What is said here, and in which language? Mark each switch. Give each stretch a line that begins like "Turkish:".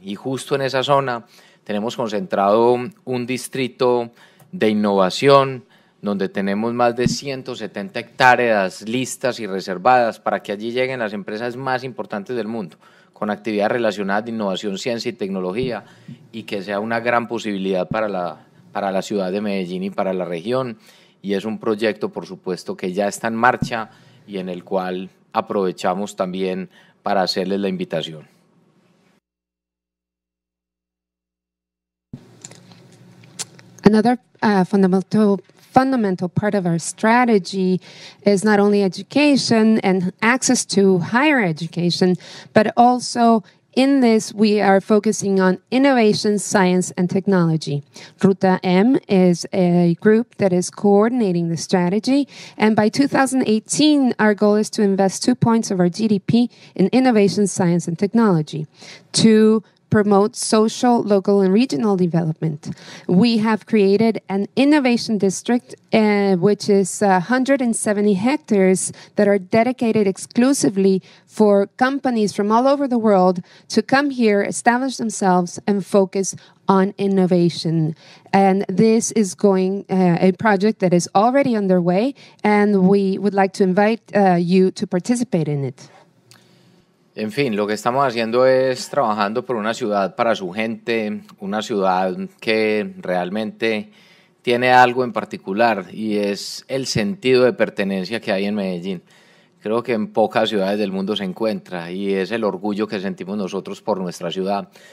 Spanish: Y justo en esa zona tenemos concentrado un distrito de innovación donde tenemos más de 170 hectáreas listas y reservadas para que allí lleguen las empresas más importantes del mundo con actividades relacionadas de innovación, ciencia y tecnología y que sea una gran posibilidad para la ciudad de Medellín y para la región. Y es un proyecto, por supuesto, que ya está en marcha y en el cual aprovechamos también para hacerles la invitación.
English: Another fundamental part of our strategy is not only education and access to higher education, but also in this we are focusing on innovation, science, and technology. Ruta M is a group that is coordinating the strategy, and by 2018, our goal is to invest 2 points of our GDP in innovation, science, and technology to promote social, local, and regional development. We have created an innovation district, which is 170 hectares that are dedicated exclusively for companies from all over the world to come here, establish themselves, and focus on innovation. And this is going a project that is already underway, and we would like to invite you to participate in it.
Spanish: En fin, lo que estamos haciendo es trabajando por una ciudad para su gente, una ciudad que realmente tiene algo en particular y es el sentido de pertenencia que hay en Medellín. Creo que en pocas ciudades del mundo se encuentra y es el orgullo que sentimos nosotros por nuestra ciudad.